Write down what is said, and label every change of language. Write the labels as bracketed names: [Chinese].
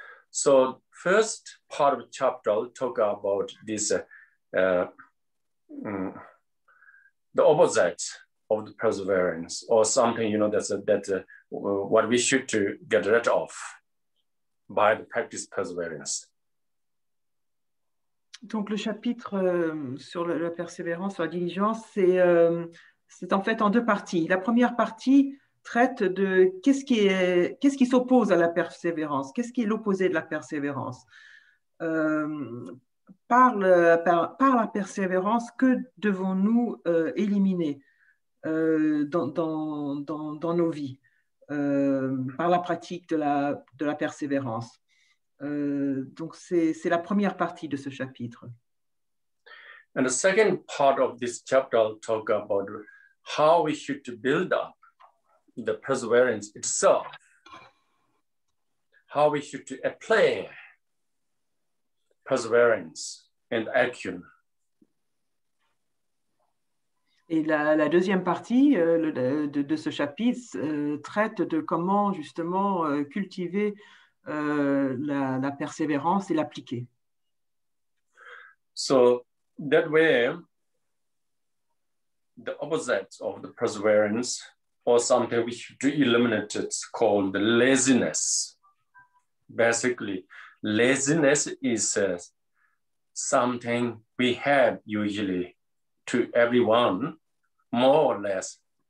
[English] So first part of the chapter talk about this the opposite of the perseverance, or something, you know, that's what we should to get rid of by the practice perseverance. [French] Donc le chapitre sur la persévérance, sur la diligence, c'est en fait en deux parties. La première partie traite de qu'est-ce qui s'oppose à la persévérance, qu'est-ce qui est l'opposé de la persévérance. Par la persévérance, que devons-nous éliminer dans nos vies par la pratique de la persévérance. Donc c'est la première partie de ce chapitre. [English] And the second part of this chapter talk about how we should build up the perseverance itself. How we should apply perseverance and action. [French] Et la deuxième partie de ce chapitre traite de comment justement cultiver la persévérance et l'appliquer. [English] So that way, the opposite of the perseverance, or something we should eliminate, it's called the laziness. Basically, laziness is something we have usually to everyone, more or less.